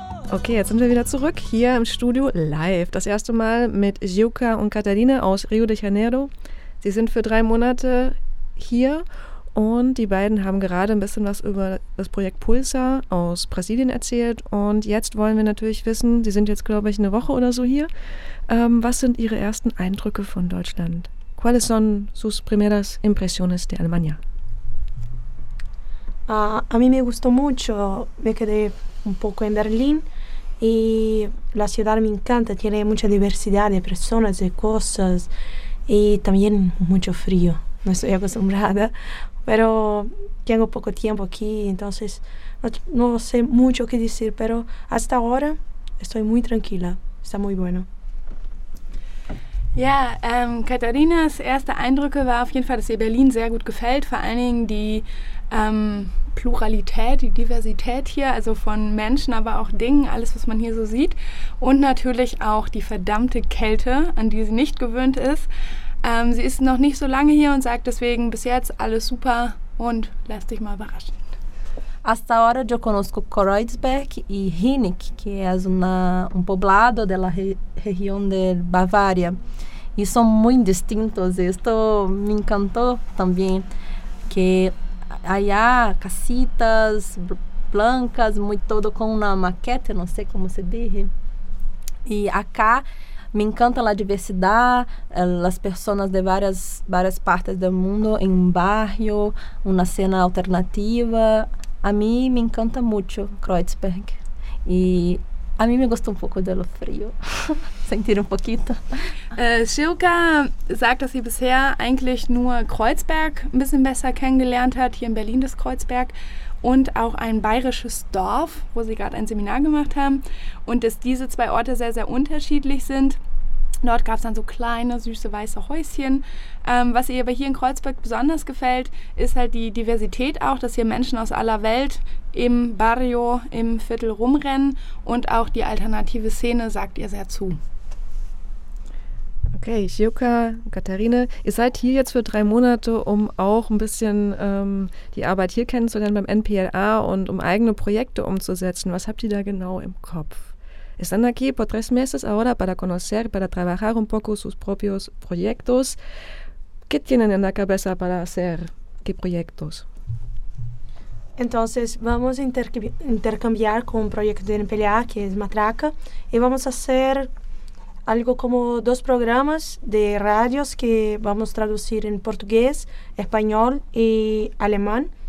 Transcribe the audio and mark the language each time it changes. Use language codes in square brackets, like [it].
[de] Okay, jetzt sind wir wieder zurück hier im Studio live. Das erste Mal mit Gioca und Katharina aus Rio de Janeiro. Sie sind für 3 Monate hier und die beiden haben gerade ein bisschen was über das Projekt Pulsar aus Brasilien erzählt. Und jetzt wollen wir natürlich wissen, sie sind jetzt, glaube ich, eine Woche oder so hier. Was sind ihre ersten Eindrücke von Deutschland? [es] ¿Cuáles son sus primeras impresiones de Alemania? A mí me gustó mucho. Me quedé un poco en Berlín. Y la ciudad me encanta, tiene mucha diversidad de personas, de cosas, y también mucho frío, no estoy acostumbrada, pero tengo poco tiempo aquí, entonces no sé mucho qué decir, pero hasta ahora estoy muy tranquila, está muy bueno. [de] Ja, Katharinas erste Eindrücke war auf jeden Fall, dass ihr Berlin sehr gut gefällt, vor allen Dingen die Pluralität, die Diversität hier, also von Menschen, aber auch Dingen, alles, was man hier so sieht. Und natürlich auch die verdammte Kälte, an die sie nicht gewöhnt ist. Sie ist noch nicht so lange hier und sagt deswegen bis jetzt alles super und lass dich mal überraschen. [es] Hasta ahora yo conozco Kreuzberg y Hinnik, que es un poblado de la región de Bavaria. Y son muy distintos. Esto me encantó también, que allá casitas blancas, muy todo con una maqueta, no sé cómo se dice. Y acá Me encanta la diversidad, las personas de varias partes del mundo en un barrio, una escena alternativa. A mí me encanta mucho Kreuzberg. Y a mí me gusta un poco de lo frío, sentir un poquito. [de] Schilka sagt, dass sie bisher eigentlich nur Kreuzberg ein bisschen besser kennengelernt hat, hier in Berlin das Kreuzberg, und auch ein bayerisches Dorf, wo sie gerade ein Seminar gemacht haben, und dass diese zwei Orte sehr, sehr unterschiedlich sind. Dort gab es dann so kleine, süße, weiße Häuschen. Was ihr aber hier in Kreuzberg besonders gefällt, ist halt die Diversität auch, dass hier Menschen aus aller Welt im Barrio, im Viertel rumrennen, und auch die alternative Szene sagt ihr sehr zu. Okay, Chiuka, Katharine, ihr seid hier jetzt für 3 Monate, um auch ein bisschen die Arbeit hier kennenzulernen beim NPLA und um eigene Projekte umzusetzen. Was habt ihr da genau im Kopf? [es] Están aquí por 3 meses ahora para conocer, para trabajar un poco sus propios proyectos. ¿Qué tienen en la cabeza para hacer? ¿Qué proyectos? Entonces, vamos a intercambiar con un proyecto de NPLA, que es Matraca, y vamos a hacer algo como 2 programas de radios que vamos a traducir en portugués, español y alemán.